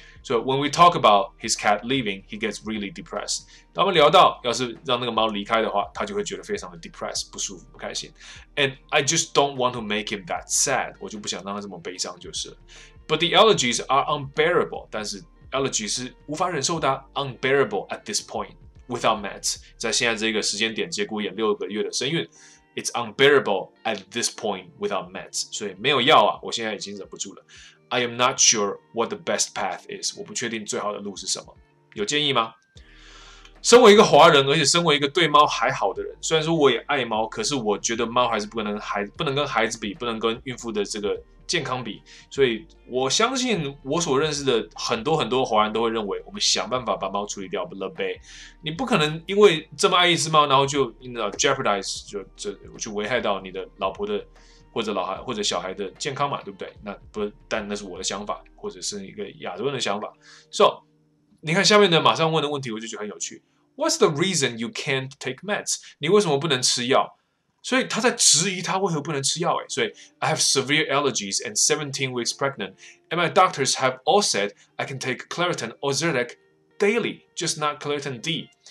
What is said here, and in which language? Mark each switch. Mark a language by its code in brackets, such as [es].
[zh] 所以 [en] when we talk about his cat leaving, he gets really depressed. [zh] 当我们聊到要是让那个猫离开的话，他就会觉得非常的 depressed, 不舒服，不开心。 [en] And I just don't want to make him that sad. [zh] 我就不想让他这么悲伤，就是。 [en] But the allergies are unbearable. [zh] 但是 [en] Allergy [zh] 是无法忍受的、 [en] 啊、unbearable at this point without meds. [zh] 在现在这个时间点，节骨眼六个月的身孕 ， [en] it's unbearable at this point without meds. [zh] 所以没有药啊，我现在已经忍不住了。 [en] I am not sure what the best path is. [zh] 我不确定最好的路是什么。有建议吗？身为一个华人，而且身为一个对猫还好的人，虽然说我也爱猫，可是我觉得猫还是不能跟孩子比，不能跟孕妇的这个。健康比，所以我相信我所认识的很多很多华人都会认为，我们想办法把猫处理掉不乐呗。你不可能因为这么爱一只猫，然后就 jeopardize 就危害到你的老婆的或者老孩或者小孩的健康嘛，对不对？那不，但那是我的想法，或者是一个亚洲人的想法。 So， 你看下面的马上问的问题，我就觉得很有趣。 [en] What's the reason you can't take meds？ [zh] 你为什么不能吃药？所以他在质疑他为何不能吃药、欸、所以 [en] I have severe allergies and 17 weeks pregnant, and my doctors have all said I can take Claritin or Zyrtec daily, just not Claritin D.